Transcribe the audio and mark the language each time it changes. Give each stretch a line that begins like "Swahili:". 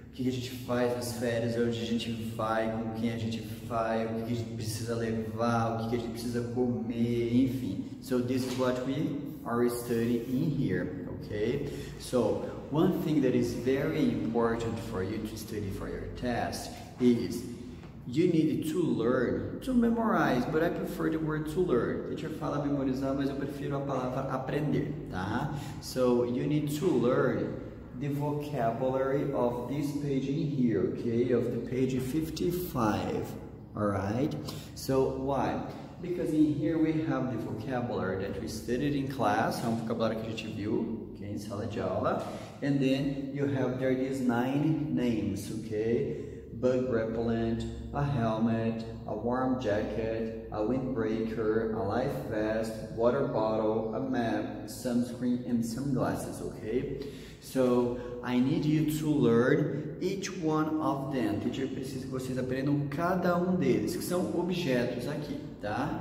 Portuguese: O que a gente faz nas férias, onde a gente vai, com quem a gente vai, o que a gente precisa levar, o que a gente precisa comer, enfim.
English: So this is what we are studying in here, okay? So one thing that is very important for you to study for your test is you need to learn, to memorize, but I prefer the word to learn.
Portuguese: Teacher fala memorizar, mas eu prefiro a palavra aprender, tá?
English: So, you need to learn the vocabulary of this page in here, okay? Of the page 55, alright? So, why? Because in here we have the vocabulary that we studied in class,
Portuguese: é um vocabulário que a gente viu,
English: okay,
Portuguese: em sala de aula.
English: And then, you have there these 9 names, okay? Bug repellent, a helmet, a warm jacket, a windbreaker, a life vest, water bottle, a map, sunscreen, and sunglasses, okay? So, I need you to learn each one of them.
Portuguese: Teacher, precisa que vocês aprendam cada deles, que são objetos aqui, tá?